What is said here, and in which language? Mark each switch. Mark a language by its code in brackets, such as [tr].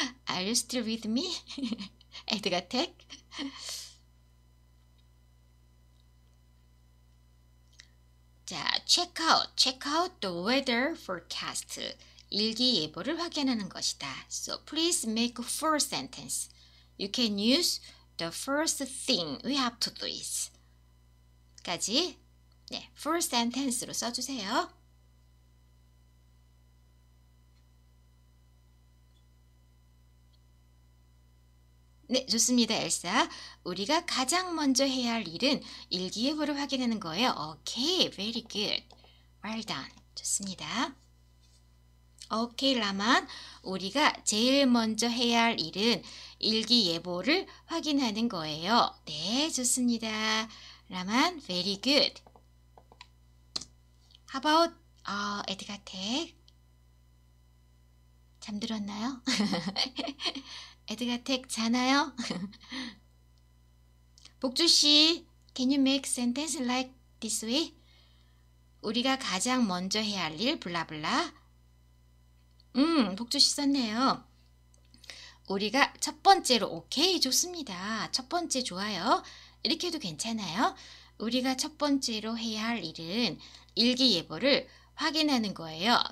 [en] Are you still with me? 에드가 택. 자, check out the weather forecast. [ko] 일기예보를 확인하는 것이다. [en] So please make a full sentence. You can use the first thing we have to do is. [ko] 까지. 네, full sentence로 써주세요. 네, 좋습니다, 엘사. 우리가 가장 먼저 해야 할 일은 일기예보를 확인하는 거예요. [en] Okay, very good. Well done. [ko] 좋습니다. [en] Okay, 라만. [ko] 우리가 제일 먼저 해야 할 일은 일기예보를 확인하는 거예요. 네, 좋습니다. 라만, [en] very good. How about Edgar Tech? [ko] 잠들었나요? 에드가 택 자나요? [en] 복주씨, can you make sentence like this way? [ko] 우리가 가장 먼저 해야 할 일, 블라블라. 복주씨 썼네요. 우리가 첫 번째로, 오케이, 좋습니다. 첫 번째 좋아요. 이렇게 해도 괜찮아요. 우리가 첫 번째로 해야 할 일은 일기예보를 확인하는 거예요.